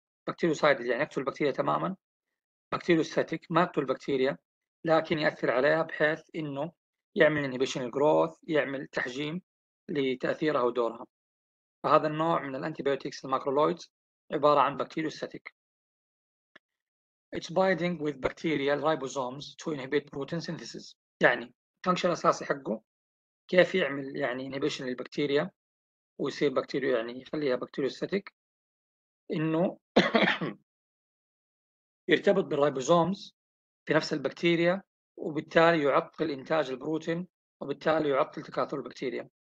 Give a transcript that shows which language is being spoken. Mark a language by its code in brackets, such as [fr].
[ar] بكتيريوسايدل يعني يقتل البكتيريا تماما، بكتيريوستاتيك ما يقتل البكتيريا لكن يأثر عليها بحيث انه يعمل انهيبيشن الجروث، يعمل تحجيم لتأثيرها ودورها. فهذا النوع من الانتيبيوتيكس الماكرولويدز عبارة عن بكتيريوستاتيك. [en] It's binding with bacterial ribosomes to inhibit protein synthesis. [ar] يعني فانكشن الاساسي حقه كيف يعمل يعني inhibition للبكتيريا ويصير بكتيريا يعني يخليها بكتيريوستاتيك، إنه يرتبط بالريبوزومز في نفس البكتيريا وبالتالي يعطل إنتاج البروتين وبالتالي يعطل تكاثر البكتيريا.